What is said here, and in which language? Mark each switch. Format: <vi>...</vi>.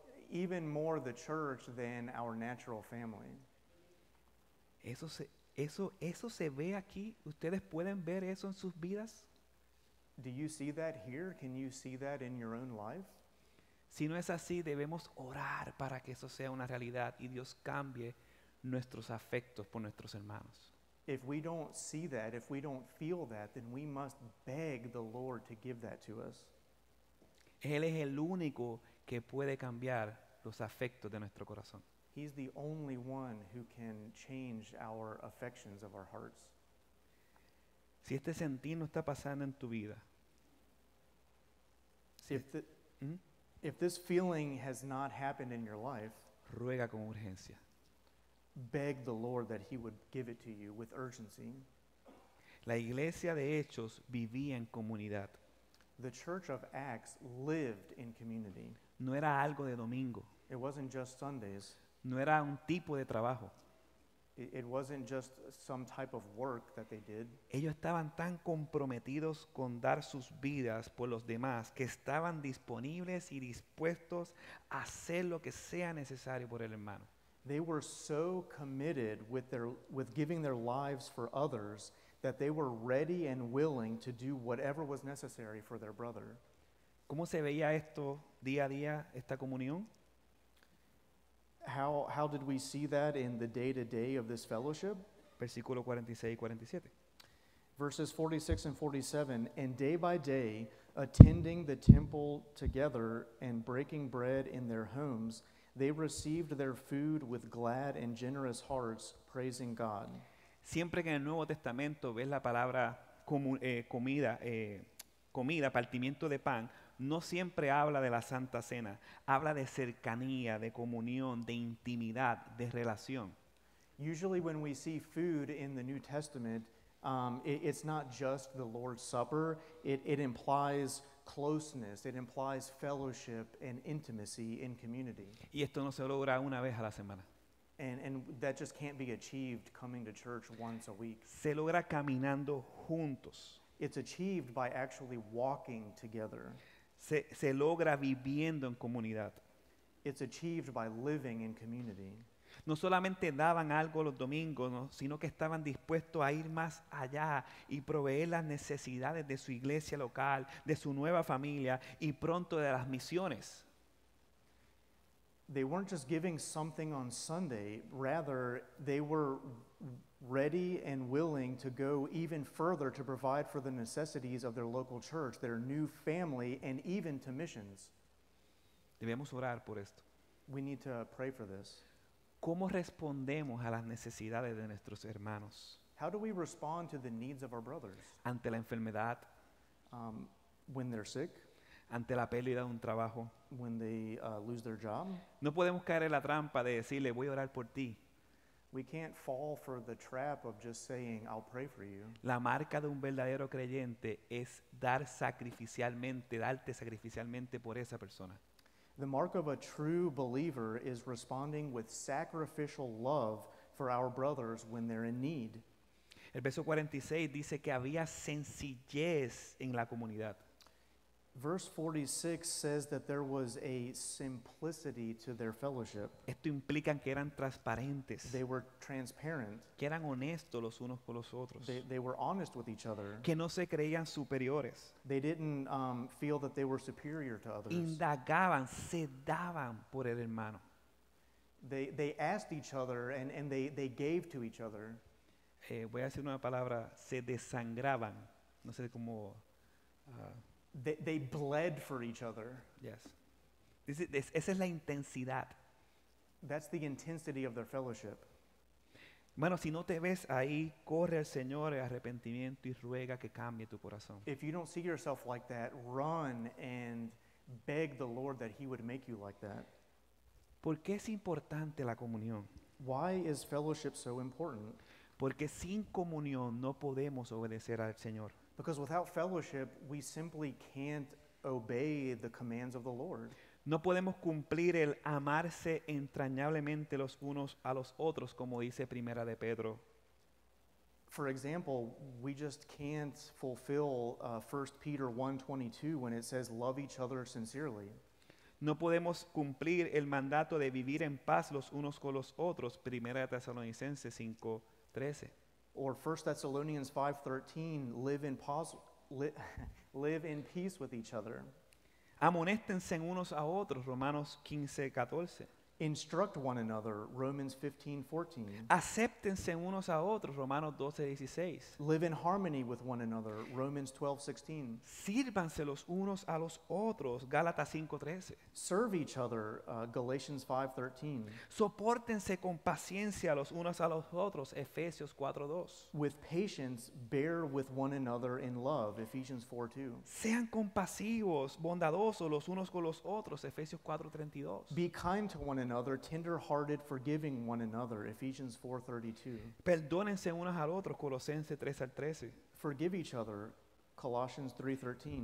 <en>Even more the church than our natural family.</en> <es>Eso se ve aquí. ¿Ustedes pueden ver eso en sus vidas?</es> <en>Do you see that here? Can you see that in your own life?</en> <es>Si no es así, debemos orar para que eso sea una realidad y Dios cambie nuestros afectos por nuestros hermanos.</es> <en>If we don't see that, if we don't feel that, then we must beg the Lord to give that to us.</en> <es>Él es el único que puede cambiar los afectos de nuestro corazón.</es> <en>He's the only one who can change our affections of our hearts.</en> <es>Si este sentir no está pasando en tu vida,</es> <en>if this feeling has not happened in your life,</en> <es>ruega con urgencia.</es> <en>Beg the Lord that he would give it to you with urgency.</en> <es>La iglesia de Hechos vivía en comunidad.</es> <en>The church of Acts lived in community.</en> <es>No era algo de domingo.</es> <en>It wasn't just Sundays.</en> <es>No era un tipo de trabajo.</es> <en>It wasn't just some type of work that they did.</en> <es>Ellos estaban tan comprometidos con dar sus vidas por los demás que estaban disponibles y dispuestos a hacer lo que sea necesario por el hermano.</es> <en>They were so committed with giving their lives for others that they were ready and willing to do whatever was necessary for their brother.</en> <es>¿Cómo se veía esto día a día, esta comunión?</es> <en>How did we see that in the day-to-day of this fellowship?</en> <es>Versículo 46 y 47.</es> <en>Verses 46 and 47, and day by day, attending the temple together and breaking bread in their homes, they received their food with glad and generous hearts, praising God.</en> <es>Siempre que en el Nuevo Testamento ves la palabra comida, partimiento de pan, no siempre habla de la Santa Cena. Habla de cercanía, de comunión, de intimidad, de relación.</es> <en>Usually when we see food in the New Testament, it's not just the Lord's Supper. It implies closeness. It implies fellowship and intimacy in community.</en> <es>Y esto no se logra una vez a la semana.</es> <en>And that just can't be achieved coming to church once a week.</en> <es>Se logra caminando juntos.</es> <en>It's achieved by actually walking together.</en> <es>Se logra viviendo en comunidad.</es> <en>It's achieved by living in community.</en> <es>No solamente daban algo los domingos, ¿no?, sino que estaban dispuestos a ir más allá y proveer las necesidades de su iglesia local, de su nueva familia y pronto de las misiones.</es> <en>They weren't just giving something on Sunday, rather they were ready and willing to go even further to provide for the necessities of their local church, their new family, and even to missions.</en> <es>Debemos orar por esto.</es> <en>We need to pray for this.</en> <es>¿Cómo respondemos a las necesidades de nuestros hermanos?</es> <en>How do we respond to the needs of our brothers?</en> <es>Ante la enfermedad.</es> <en>When they're sick.</en> <es>Ante la pérdida de un trabajo.</es> <en>When they lose their job.</en> <es>No podemos caer en la trampa de decirle, voy a orar por ti.</es> <en>We can't fall for the trap of just saying, I'll pray for you.</en> <es>La marca de un verdadero creyente es dar sacrificialmente, darte sacrificialmente por esa persona.</es> <en>The mark of a true believer is responding with sacrificial love for our brothers when they're in need.</en> <es>El verso 46 dice que había sencillez en la comunidad.</es> <en>Verse 46 says that there was a simplicity to their fellowship.</en> <es>Esto implica que eran transparentes.</es> <en>They were transparent.</en> <es>Que eran honestos los unos con los otros.</es> <en>They were honest with each other.</en> <es>Que no se creían superiores.</es> <en>They didn't feel that they were superior to others.</en> <es>Indagaban, se daban por el hermano.</es> <en>They asked each other and they gave to each other.</en> <es>Voy a decir una palabra, se desangraban. No sé cómo...</es> <en>They bled for each other. Yes.</en> <es>Esa es la intensidad.</es> <en>That's the intensity of their fellowship.</en> <es>Bueno, si no te ves ahí, corre al Señor en arrepentimiento y ruega que cambie tu corazón.</es> <en>If you don't see yourself like that, run and beg the Lord that he would make you like that.</en> <es>¿Por qué es importante la comunión?</es> <en>Why is fellowship so important?</en> <es>Porque sin comunión no podemos obedecer al Señor.</es> <en>Because without fellowship, we simply can't obey the commands of the Lord.</en> <es>No podemos cumplir el amarse entrañablemente los unos a los otros, como dice Primera de Pedro.</es> <en>For example, we just can't fulfill 1 Peter 1:22 when it says, love each other sincerely.</en> <es>No podemos cumplir el mandato de vivir en paz los unos con los otros, Primera de Tesalonicenses 5:13.</es> <en>Or 1 Thessalonians 5:13, live in peace with each other.</en> <es>Amonéstense unos a otros, Romanos 15:14.</es> <en>Instruct one another, Romans 15, 14.</en> <es>Acéptense unos a otros, Romanos 12, 16.</es> <en>Live in harmony with one another, Romans 12, 16.</en> <es>Sírvanse los unos a los otros, Gálatas 5, 13.</es> <en>Serve each other, Galatians 5, 13.</en> <es>Sopórtense con paciencia los unos a los otros, Efesios 4, 2.</es> <en>With patience, bear with one another in love, Ephesians 4, 2.</en> <es>Sean compasivos, bondadosos los unos con los otros, Efesios 4, 32.</es> <en>Be kind to one another, tender-hearted, forgiving one another, Ephesians 4:32.</en> <es>Perdónense unos al otro, Colosenses 3:13.</es> <en>Forgive each other, Colossians 3:13.</en>